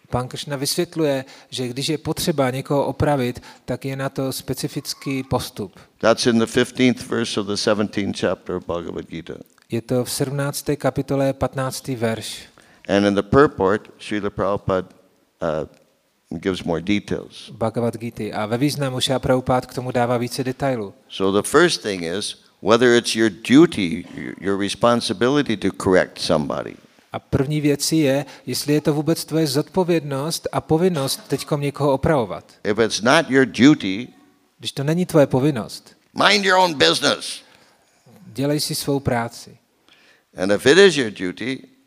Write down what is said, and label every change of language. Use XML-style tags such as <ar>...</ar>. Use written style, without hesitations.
<cs>Pan Krishna vysvětluje, že když je potřeba někoho opravit, tak je na to specifický postup.</cs> <en>That's in the 15th verse of the 17th chapter of Bhagavad Gita.</en> <cs>Je to v 17. kapitole 15. verš.</cs> <en>And in the purport Srila Prabhupada gives more details. Bhagavad Gita.</en> <cs>A ve významu Srila Prabhupada k tomu dává více detailů.</cs> <en>So the first thing is whether it's your duty, your responsibility to correct somebody.</en> <cs>A první věc je, jestli je to vůbec tvoje zodpovědnost a povinnost teďkom někoho opravovat.</cs> <en>If it's not your duty,</en> <cs>když to není tvoje povinnost,</cs> <en>mind your own business.</en> <cs>Dělej si svou práci.</cs> <en>And if it is your duty,</en>